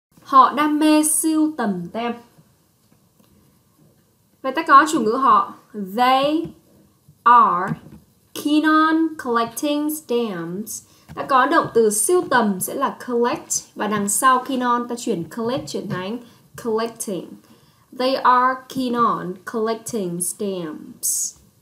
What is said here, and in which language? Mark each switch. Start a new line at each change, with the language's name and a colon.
Vietnamese: Họ đam mê sưu tầm tem. Vậy ta có chủ ngữ họ.
English: They are keen on collecting stamps.
Vietnamese: Ta có động từ sưu tầm sẽ là collect. Và đằng sau keen on ta chuyển collect chuyển thành collecting.
English: They are keen on collecting stamps.